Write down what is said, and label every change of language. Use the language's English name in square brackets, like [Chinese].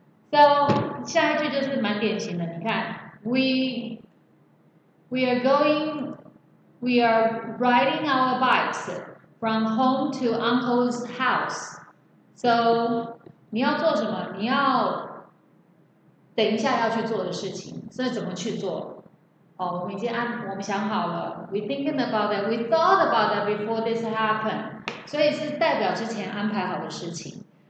[English] So, [Chinese] 下一句就是蛮典型的, 你看, [English] we are riding our bikes from home to uncle's house. [Chinese] So, 你要做什么? 你要等一下要去做的事情,所以怎么去做? 我们想好了, [English] we're thinking about that, we thought about that before this happened. [Chinese] 所以是代表之前安排好的事情.